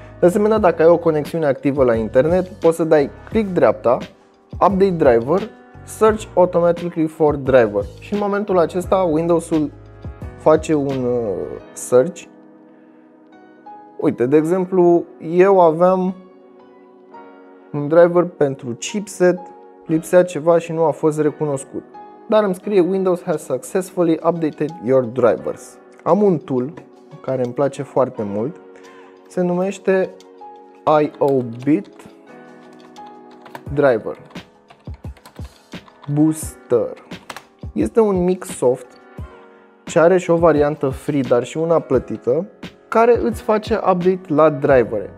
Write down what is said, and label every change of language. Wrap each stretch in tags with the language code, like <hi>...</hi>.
<ro>De asemenea, dacă ai o conexiune activă la internet, poți să dai click dreapta,</ro> <en>Update Driver, Search Automatically for Driver.</en> <ro>Și în momentul acesta, Windows-ul face un search. Uite, de exemplu, eu aveam un driver pentru chipset, lipsea ceva și nu a fost recunoscut. Dar îmi scrie</ro> <en>Windows has successfully updated your drivers.</en> <ro>Am un tool care îmi place foarte mult. Se numește IOBit Driver Booster. Este un mic soft ce are și o variantă free, dar și una plătită, care îți face update la drivere.</ro>